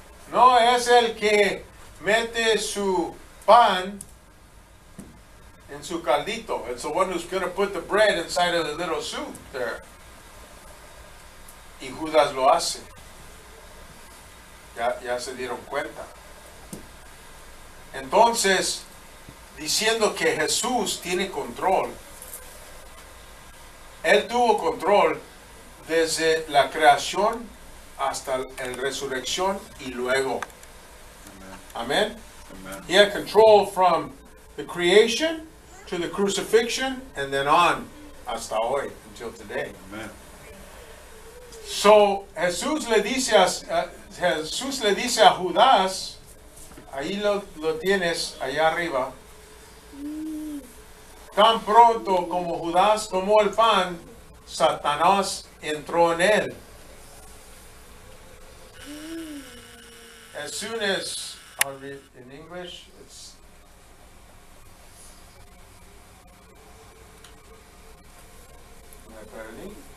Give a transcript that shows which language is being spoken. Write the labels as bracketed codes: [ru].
[es] No, es el que mete su pan en su caldito. [en] It's the one who's going to put the bread inside of the little soup there. [es] Y Judas lo hace. Ya se dieron cuenta. Entonces, diciendo que Jesús tiene control. Él tuvo control desde la creación hasta la resurrección y luego. Amén. [en] He had control from the creation to the crucifixion and then on [es] hasta hoy, [en] until today. [es] Amén. So, Jesús le dice a Judas, ahí lo tienes, allá arriba. Tan pronto como Judas tomó el pan, Satanás entró en él. [en] As soon as, I'll read in English, it's... Am I ready?